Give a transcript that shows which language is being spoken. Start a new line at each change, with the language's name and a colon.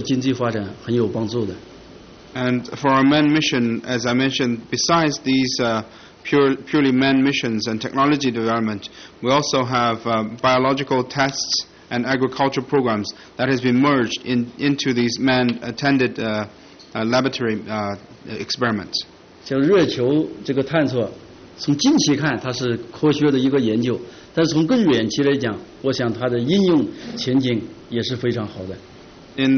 Chinese: 除了科学研究之外，刚才我已经提到了，包括生物的这些研究，包括这个农作物的一些种子的这些研究，这些都是对这个社会经济发展很有帮助的。
English: And for our manned mission, as I mentioned, besides these purely manned missions and technology development, we also have biological tests and agriculture programs that has been merged into these manned attended laboratory experiments.
Chinese: 像月球这个探索，从近期看它是科学的一个研究，但是从更远期来讲，我想它的应用前景也是非常好的。
English: In